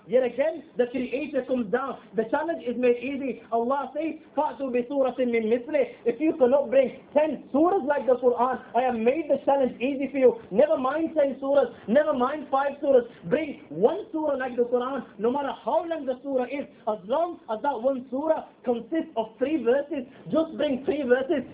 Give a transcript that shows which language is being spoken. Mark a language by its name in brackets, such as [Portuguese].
[English] Yet again, the creator comes down. The challenge is made easy. [Arabic] Allah says, فَأْتُوا بِسُورَةٍ مِّن مِثْلِهِ. [English] If you cannot bring 10 surahs like the Quran, I have made the challenge easy for you. Never mind 10 surahs, never mind 5 surahs. Bring one surah like the Quran, no matter how long the surah is. As long as that one surah consists of 3 verses, just bring 3 verses.